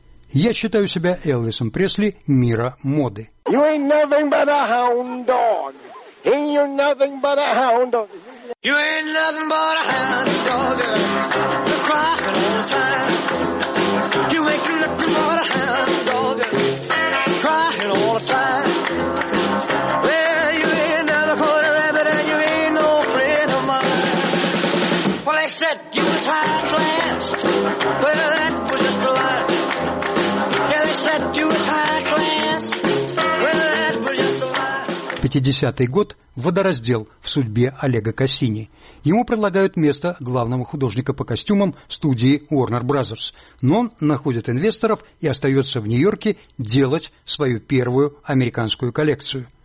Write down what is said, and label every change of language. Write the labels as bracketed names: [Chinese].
[Russian] Я считаю себя Элвисом Пресли мира моды. [English] You ain't nothing but a hound dog, crying all the time. You ain't nothing but a hound dog, crying all the time. Well, you ain't nothing but a rabbit, and you ain't no friend of mine. Well, they said you was high class. Well, that was just a lie. Yeah, they said you was high class. Well, that was just a lie. [Russian] 50-й год. Водораздел в судьбе Олега Кассини. Ему предлагают место главного художника по костюмам студии Warner Brothers, но он находит инвесторов и остается в Нью-Йорке делать свою первую американскую коллекцию.